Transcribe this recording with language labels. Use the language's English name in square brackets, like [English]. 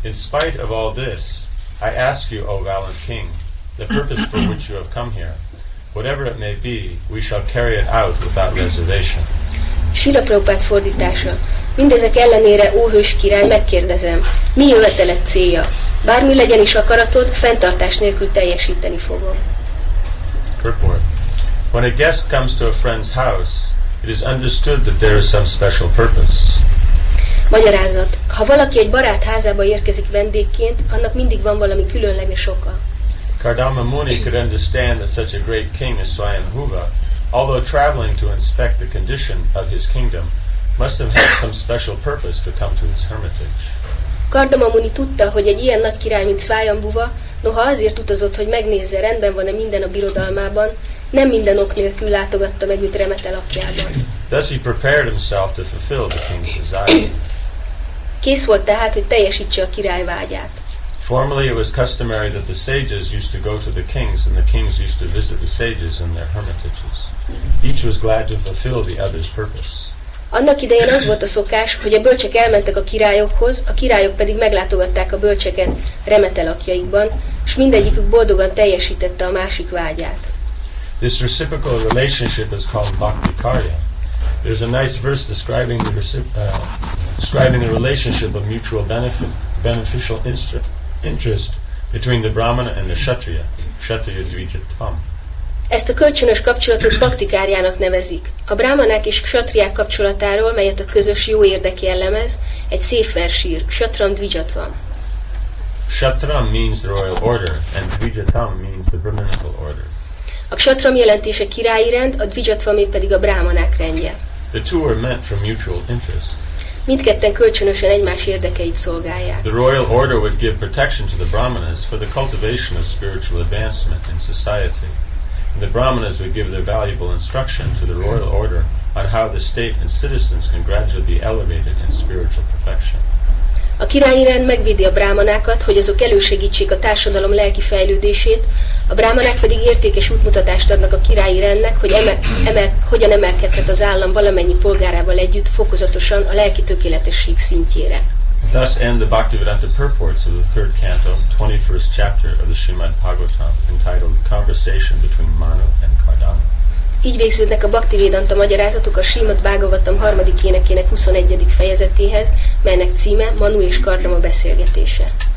[English] In spite of all this, I ask you, O valiant king, the purpose for which you have come here. Whatever it may be, we shall carry it out without reservation. [Hungarian] Srila Prabhupád fordítása. Mindezek ellenére, ó hős király, megkérdezem, mi jöveteled célja? Bármi legyen is akaratod, fenntartás nélkül teljesíteni fogom. [English] Purport. When a guest comes to a friend's house, it is understood that there is some special purpose. [Hungarian] Magyarázat. Ha valaki egy barát házába érkezik vendégként, annak mindig van valami különleges oka. [English] Kardama Muni could understand that such a great king as Swayambhuva, although traveling to inspect the condition of his kingdom, must have had some special purpose to come to his hermitage. [Hungarian] Kardama Muni tudta, hogy egy ilyen nagy király, mint Swayambhuva, noha azért utazott, hogy megnézze, rendben van-e minden a birodalmában, nem minden ok nélkül látogatta meg őt remete lakjában. [English] Thus he prepared himself to fulfill the king's desire. [Hungarian] Kész volt tehát, hogy teljesítse a király vágyát. [English] Formerly it was customary that the sages used to go to the kings and the kings used to visit the sages in their hermitages. Each was glad to fulfill the other's purpose. [Hungarian] Annak idején az volt a szokás, hogy a bölcsek elmentek a királyokhoz, a királyok pedig meglátogatták a bölcseket remete lakjaikban, és mindegyikük boldogan teljesítette a másik vágyát. [English] This reciprocal relationship is called bhakti karya. There's a nice verse describing the relationship of mutual beneficial interest between the brahmana and the kshatriya, kshatriya dvijatvam. [Hungarian] Ezt a kölcsönös kapcsolatot bhakti káryának nevezik. A brahmanák és kshatriák kapcsolatáról, melyet a közös jó érdek jellemez, egy szép vers ír, kshatram dvijatvam. [English] Kshatram means the royal order, and dvijatvam means the brahmanical order. [Hungarian] A kshatram jelentése királyi rend, a dvijatvam pedig a brahmanák rendje. [English] The two are meant for mutual interest. [Hungarian] Mindketten kölcsönösen egymás érdekeit szolgálják. [English] The royal order would give protection to the brahmanas for the cultivation of spiritual advancement in society. And the brahmanas would give their valuable instruction to the royal order on how the state and citizens can gradually be elevated in spiritual perfection. [Hungarian] A királyi rend megvédi a brahmanákat, hogy azok elősegítsék a társadalom lelki fejlődését, a brahmanák pedig értékes útmutatást adnak a királyi rendnek, hogy hogyan emelkedhet az állam valamennyi polgárával együtt fokozatosan a lelki tökéletesség szintjére. [English] Thus end the Bhaktivedanta purports of the third canto, 21st chapter of the Srimad Bhagavatam, entitled Conversation between Manu and Kardama. [Hungarian] Így végződnek a Bhaktivedanta magyarázatok a Srimad Bhagavatam harmadik énekének 21. fejezetéhez, melynek címe Manu és Kardama beszélgetése.